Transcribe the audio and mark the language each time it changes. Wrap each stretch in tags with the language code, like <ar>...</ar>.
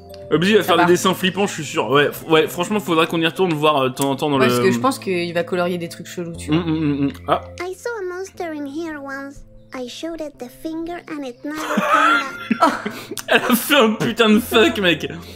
<fr>Bubsy va faire des dessins flippants, je suis sûr. Ouais, ouais, franchement, faudrait qu'on y retourne voir de temps en temps dans ouais, le... Parce que je pense qu'il va colorier des trucs chelous, tu vois. Ah.</fr> <en>I saw a monster in here once. I showed it the finger and it never came back.</en> <fr>Elle a fait un putain de fuck, mec.</fr>